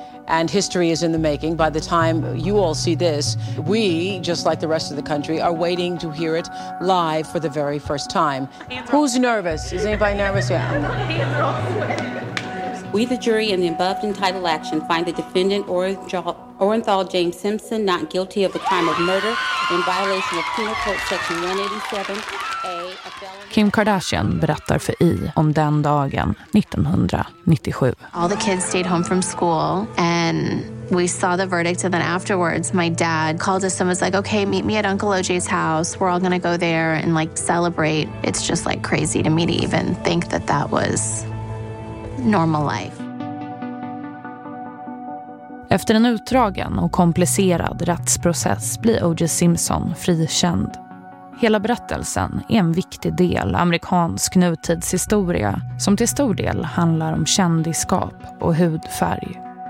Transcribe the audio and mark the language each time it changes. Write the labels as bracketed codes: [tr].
[en] And history is in the making. By the time you all see this, we, just like the rest of the country, are waiting to hear it live for the very first time. Who's nervous? Is anybody nervous? Yeah. We, the jury, in the above entitled action, find the defendant Orenthal James Simpson not guilty of the crime of murder in violation of Penal Code Section 187A. [sv] Kim Kardashian berättar för I om den dagen 1997. [en] All the kids stayed home from school and we saw the verdict, and then afterwards my dad called us and was like, okay, meet me at Uncle OJ's house. We're all gonna go there and like celebrate. It's just like crazy to me to even think that that was normal life. [sv] Efter en utdragen och komplicerad rättsprocess blir O.J. Simpson frikänd. Hela berättelsen är en viktig del amerikansk nutidshistoria som till stor del handlar om kändiskap och hudfärg.